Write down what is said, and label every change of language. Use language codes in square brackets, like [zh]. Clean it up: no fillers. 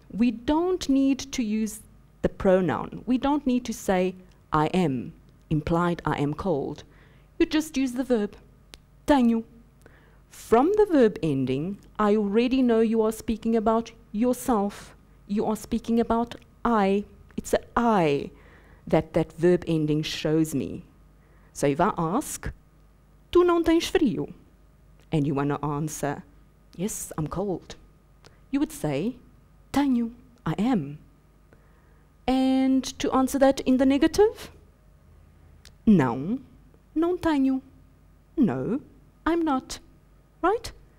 [en] We don't need to use the pronoun. We don't need to say, I am, implied I am cold. You just use the verb, tenho. From the verb ending, I already know you are speaking about yourself. You are speaking about I. It's a I that verb ending shows me. So if I ask, [pt] tu não tens frio? [en] And you want to answer, yes, I'm cold. You would say, tenho, I am. And to answer that in the negative? [pt] Não, não tenho. [en] No, I'm not. Right?